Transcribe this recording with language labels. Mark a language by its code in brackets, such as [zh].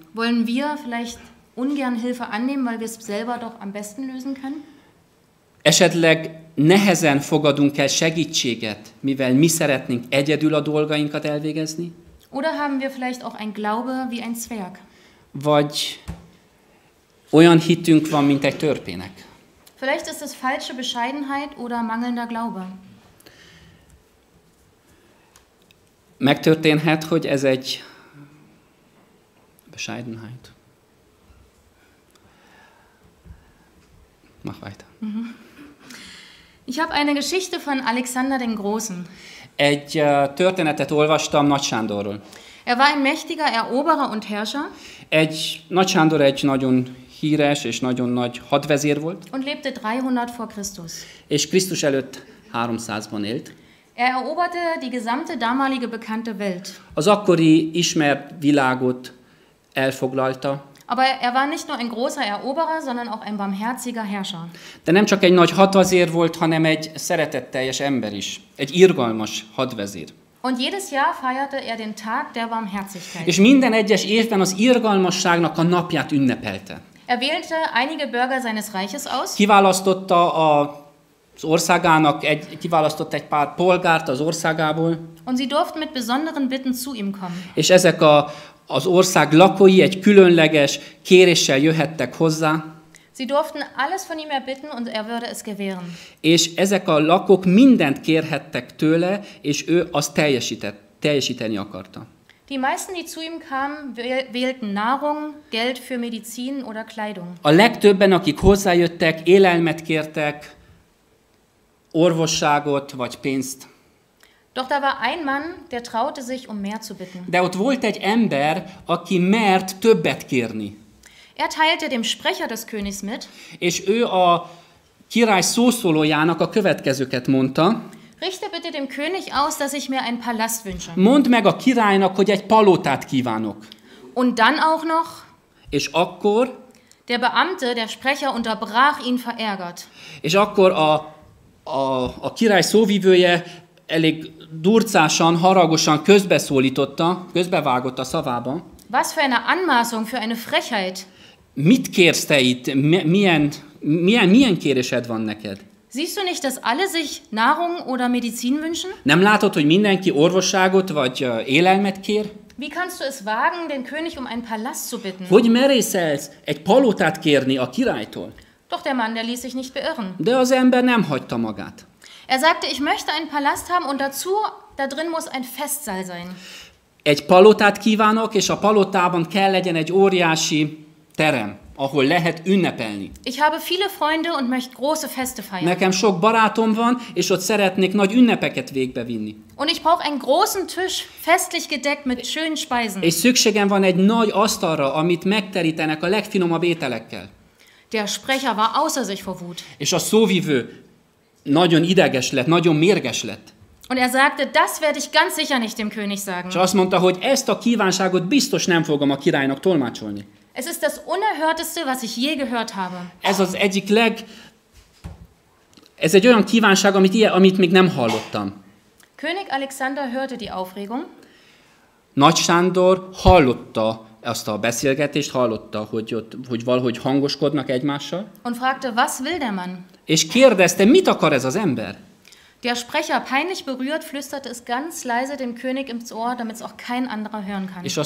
[de] Wollen wir vielleicht ungern Hilfe annehmen, weil wir es selber doch am besten lösen können? [hu] Esetleg nehezen fogadunk el segítséget, mivel mi szeretnénk egyedül a dolgainkat elvégezni? [de] Oder haben wir vielleicht auch ein Glaube wie ein Zwerg? [hu] Vagy olyan hitünk van, mint egy törpének? [de] Vielleicht ist es falsche Bescheidenheit oder mangelnder Glaube. [hu] Megtörténhet, hogy ez egy Bescheidenheit. [de] Mach weiter. Ich habe eine Geschichte von Alexander den Großen. [hu] Egy történetet olvastam Nagy Sándorról. [de] Er war ein mächtiger Eroberer und Herrscher. [hu] Egy Nagy Sándor egy nagyon híres és nagyon nagy hadvezér volt. [de] Und lebte 300 vor Christus. [hu] És Krisztus előtt 300-ban élt. [de] Er eroberte die gesamte damalige bekannte Welt. [hu] Az akkori ismert világot elfoglalta. [de] Aber er war nicht nur ein großer Eroberer, sondern auch ein barmherziger Herrscher. [hu] De nem csak egy nagy hadvezér volt, hanem egy szeretetteljes ember is. Egy irgalmas hadvezér. [de] Und jedes Jahr feierte er den Tag der Barmherzigkeit. [hu] És minden egyes évben az irgalmasságnak a napját ünnepelte. [de] Er wählte einige Bürger seines Reiches aus. [hu] Kiválasztotta az országának egy, kiválasztott egy pár polgárt az országából. [de] Und sie durften mit besonderen Bitten zu ihm kommen. [hu] És ezek a az ország lakói egy különleges kéréssel jöhettek hozzá. [de] Sie durften alles von ihm erbitten und er würde es gewähren. [hu] És ezek a lakók mindent kérhettek tőle, és ő azt teljesíteni akarta. [de] Die meisten, die zu ihm kamen, wählten Nahrung, Geld für Medizin oder Kleidung. [hu] A legtöbben, akik hozzájöttek, élelmet kértek, orvosságot vagy pénzt. [de] Doch da war ein Mann, der traute sich, um mehr zu bitten. [hu] De ott volt egy ember, aki mert többet kérni. [de] Er teilte dem Sprecher des Königs mit. [hu] És ő a király szószólójának a következőket mondta. [de] Richte bitte dem König aus, dass ich mir ein Palast wünsche. [hu] Mondd meg a királynak, hogy egy palotát kívánok. [de] Und dann auch noch. [hu] És akkor. [de] Der Beamte, der Sprecher, unterbrach ihn verärgert. [hu] És akkor a király szóvivője elég durcásan, haragosan közbeszólította, közbevágott a szavába. [de] Was für eine Anmaßung, für eine Frechheit. [hu] Mit kérsz te itt? Milyen kérésed van neked? [de] Siehst du nicht, dass alle sich Nahrung oder Medizin wünschen? [hu] Nem látod, hogy mindenki orvosságot vagy élelmet kér? [de] Wie kannst du es wagen, den König um einen Palast zu bitten? [hu] Hogy merészelsz egy palotát kérni a királytól? [de] Doch der Mann, der ließ sich nicht beirren. [hu] De az ember nem hagyta magát. [de] Er sagte, ich möchte einen Palast haben und dazu, da drin muss ein Festsaal sein. [hu] Egy palotát kívánok, és a palotában kell legyen egy óriási terem, ahol lehet ünnepelni. [de] Ich habe viele Freunde und möchte große Feste feiern. [hu] Nekem sok barátom van, és ott szeretnék nagy ünnepeket végbe vinni. [de] Und ich brauche einen großen Tisch, festlich gedeckt mit schönen Speisen. [hu] És szükségem van egy nagy asztalra, amit megterítenek a legfinomabb ételekkel. [de] Der Sprecher war außer sich vor Wut. [hu] És a szóvivő nagyon ideges lett, nagyon mérges lett. [de] Und er sagte, das werde ich ganz sicher nicht dem König sagen. [hu] És azt mondta, hogy ezt a kívánságot biztos nem fogom a királynak tolmácsolni. [de] Es ist das Unerhörteste, was ich je gehört habe. [hu] Ez az egyik ez egy olyan kívánság, amit még nem hallottam. [de] König Alexander hörte die Aufregung. [hu] Nagy Sándor hallotta azt a beszélgetést, hallotta, hogy ott, hogy valahogy hangoskodnak egymással. [de] Und fragte, was will der Mann? [hu] És kérdezte, mit akar ez az ember? [de] Der Sprecher, peinlich berührt, flüsterte es ganz leise dem König ins Ohr, damit es auch kein anderer hören kann.